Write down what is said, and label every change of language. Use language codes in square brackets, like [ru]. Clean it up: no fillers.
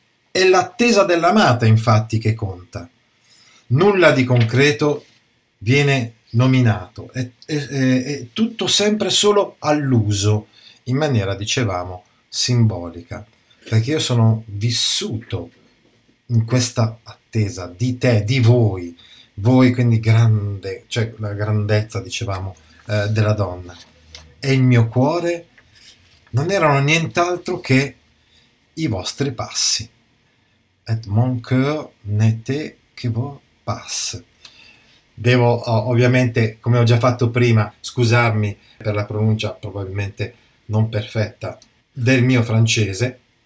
[it] È l'attesa dell'amata, infatti, che conta. Nulla di concreto viene nominato, è tutto sempre solo alluso, in maniera, dicevamo, simbolica, perché io sono vissuto in questa attesa di te, di voi, voi quindi grande, cioè la grandezza, dicevamo, della donna. E il mio cuore non erano nient'altro che i vostri passi. [fr] Et mon cœur n'était que vos pass. [it] Devo ovviamente, come ho già fatto prima, scusarmi per la pronuncia probabilmente non perfetta del mio francese,